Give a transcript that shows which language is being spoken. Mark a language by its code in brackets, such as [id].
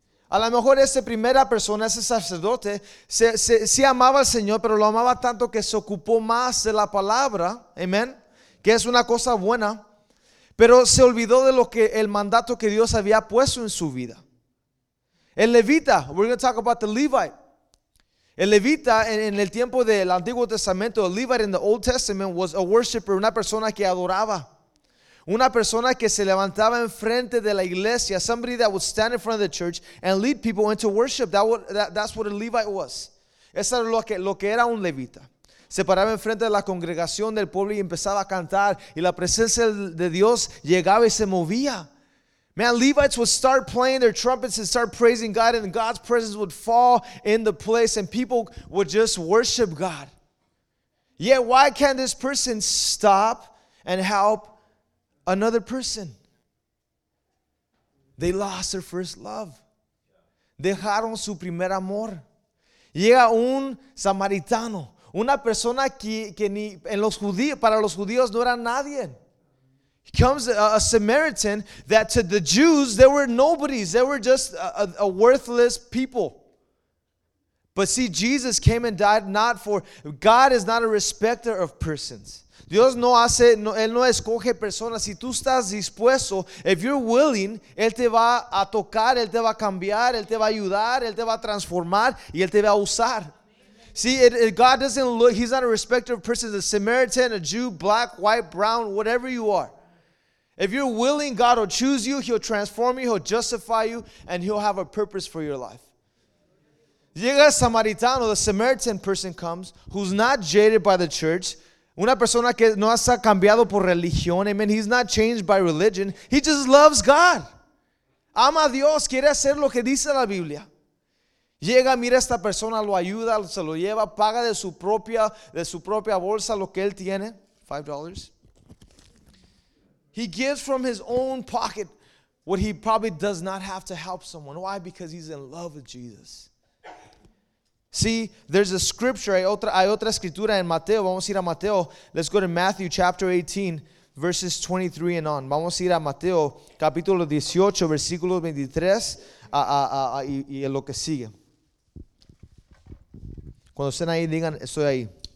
[es] A lo mejor esa primera persona, ese sacerdote, sí amaba al Señor, pero lo amaba tanto que se ocupó más de la palabra, amén, que es una cosa buena, pero se olvidó de lo que el mandato que Dios había puesto en su vida. El levita, [en] we're going to talk about the Levite. [es] El levita en el tiempo del Antiguo Testamento, el [en] Levite in the Old Testament was a worshiper, [es] una persona que adoraba. Una persona que se levantaba en frente de la iglesia, [en] somebody that would stand in front of the church and lead people into worship. That's what a Levite was. [es] Eso era lo que era un levita. Se paraba en frente de la congregación del pueblo y empezaba a cantar, y la presencia de Dios llegaba y se movía. [en] Man, Levites would start playing their trumpets and start praising God, and God's presence would fall in the place, and people would just worship God. Yet, why can't this person stop and help another person? They lost their first love. [es] Dejaron su primer amor. Llega un samaritano, una persona que ni en los judíos, para los judíos no era nadie. [en] He comes a Samaritan that to the Jews, they were nobodies. They were just a worthless people. But see, Jesus came and died not for, God is not a respecter of persons. [es] Dios no hace, no, Él no escoge personas. Si tú estás dispuesto, [en] if you're willing, [es] Él te va a tocar, Él te va a cambiar, Él te va a ayudar, Él te va a transformar y Él te va a usar. [en] See, God doesn't look, He's not a respecter of persons, a Samaritan, a Jew, black, white, brown, whatever you are. If you're willing, God will choose you, He'll transform you, He'll justify you, and He'll have a purpose for your life. [es] Llega el Samaritano, [en] the Samaritan person comes, who's not jaded by the church, [es] una persona que no ha cambiado por religión, [en] amen, he's not changed by religion, he just loves God. [es] Ama a Dios, quiere hacer lo que dice la Biblia. Llega, mira a esta persona, lo ayuda, se lo lleva, paga de su propia bolsa lo que él tiene, $5. [en] He gives from his own pocket what he probably does not have to help someone. Why? Because he's in love with Jesus. See, there's a scripture, [es] hay otra escritura en Mateo. Vamos a ir a Mateo. [en] Let's go to Matthew chapter 18, verses 23 and on. [es] Vamos a ir a Mateo, capítulo 18, versículo 23, y lo que sigue. Cuando estén ahí, digan, estoy ahí.